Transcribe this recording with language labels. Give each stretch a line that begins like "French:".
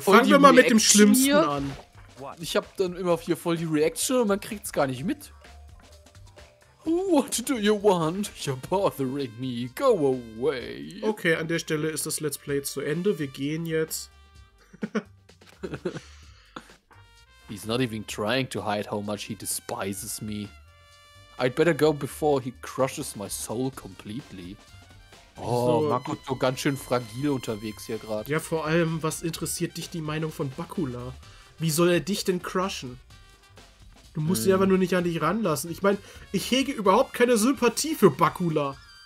German: Fangen wir mal mit dem Schlimmsten an. Ich hab dann immer hier voll die Reaction und man kriegt's gar nicht mit.
English: What do you want? You're bothering me. Go away.
German: Okay, an der Stelle ist das Let's Play zu Ende. Wir gehen jetzt.
English: He's not even trying to hide how much he despises me. I'd better go before he crushes my soul completely.
German: Oh, Makoto ist so ganz schön fragil unterwegs hier gerade. Ja, vor allem, was interessiert dich die Meinung von Bakula? Wie soll er dich denn crushen? Du musst ihn aber nur nicht an dich ranlassen. Ich meine, ich hege überhaupt keine Sympathie für Bakula.